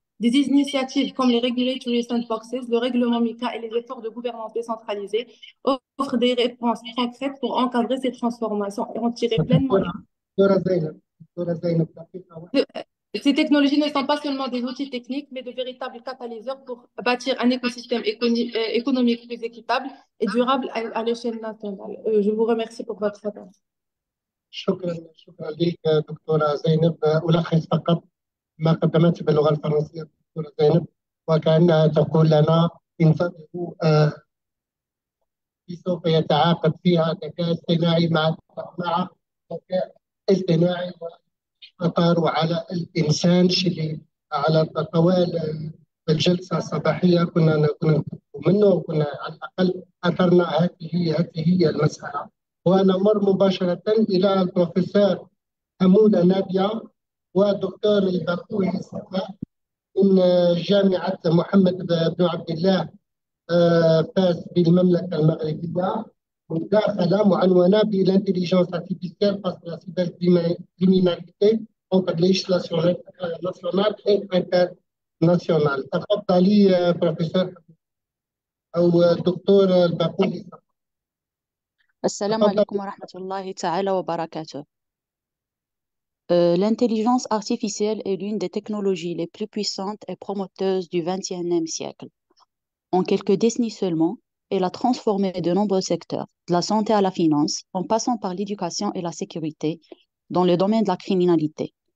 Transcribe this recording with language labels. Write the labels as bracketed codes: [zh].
[fr] Des initiatives comme les Regulatory Sandboxes, le règlement MiCA et les efforts de gouvernance décentralisée offrent des réponses concrètes pour encadrer ces transformations et en tirer pleinement les. Ces technologies ne sont pas seulement des outils techniques, mais de véritables catalyseurs pour bâtir un écosystème économique plus équitable et durable à l'échelle nationale. Je vous remercie pour votre attention. [ar] شكرا لك دكتورة زينب. ألخص فقط ما قدمته باللغة الفرنسية دكتورة زينب، وكأنها تقول لنا انتظروا سوف يتعاقد فيها الذكاء الاصطناعي مع الذكاء الاصطناعي، وقطروا على الإنسان شلي على طوال الجلسة الصباحية كنا نطلب منه، وكنا على الأقل أثرنا هذه المسألة. ونمر مباشرة إلى البروفيسور حمودة نادية والدكتور البخوي من جامعة محمد بن عبد الله فاس بالمملكة المغربية، مداخلة معنونة بالانتليجنس ارتيفيسيال فاس لا سيبر كريميناليتي اونتر ليجيسلاسيون ناسيونال اي انتر ناسيونال. تفضلي بروفيسور أو دكتور البخوي. السلام عليكم ورحمة الله تعالى وبركاته. [fr] L'intelligence artificielle est l'une des technologies les plus puissantes et prometteuses du XXIe siècle. En quelques décennies seulement, elle a transformé de nombreux secteurs, de la santé à la finance, en passant par l'éducation et la sécurité, dans le domaine de la criminalité.